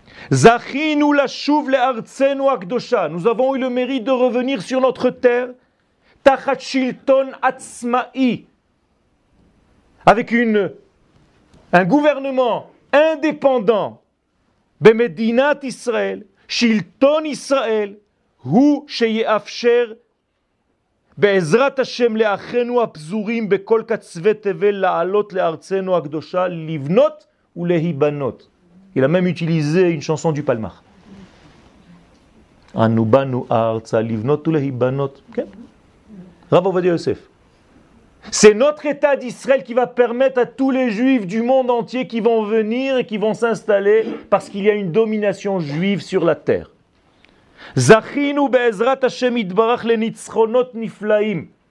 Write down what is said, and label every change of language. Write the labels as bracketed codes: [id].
[he] Zachinu lashuv le'artzenu akdosha. [fr] Nous avons eu le mérite de revenir sur notre terre [he] tachat shilton atzma'i, [fr] avec un gouvernement indépendant, [he] bemedinat Israël, shilton Israël, הוא שיאפשר בעזרת השם לאחינו הפזורים בכל קצווי תבל לעלות לארצנו הקדושה, לבנות ולהיבנות. [fr] Il a même utilisé une chanson du Palmar. [he] אנו באנו ארצה לבנות ולהיבנות. כן. רב עובדיה יוסף. [fr] C'est notre état d'Israël qui va permettre à tous les juifs du monde entier qui vont venir et qui vont s'installer parce qu'il y a une domination juive sur la terre. [he] Zachinu be'ezrat Hashem itbarach lenitzchonot niflaim.